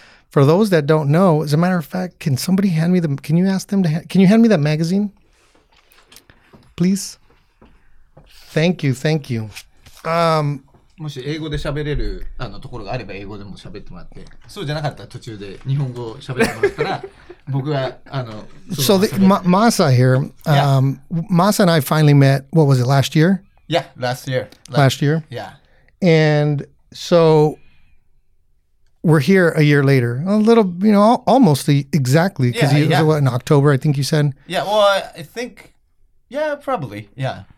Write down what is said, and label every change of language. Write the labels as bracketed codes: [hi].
[en] For those that don't know, as a matter of fact, can somebody hand me the, can you ask them to, can you hand me that magazine, please? Thank you. [ja] もし英語で喋れるあのところがあれば英語でも喋ってもらって、そうじゃなかったら途中で日本語喋ってもらったら、僕はあの、 [en] そう、So, Masa here, yeah. Masa and I finally met, what was it, last year? Yeah, last year. Last year? Yeah. And so... We're here a year later, a little, you know, almost exactly, because yeah, yeah. In October, I think you said? Yeah, well, I think, yeah, probably, yeah.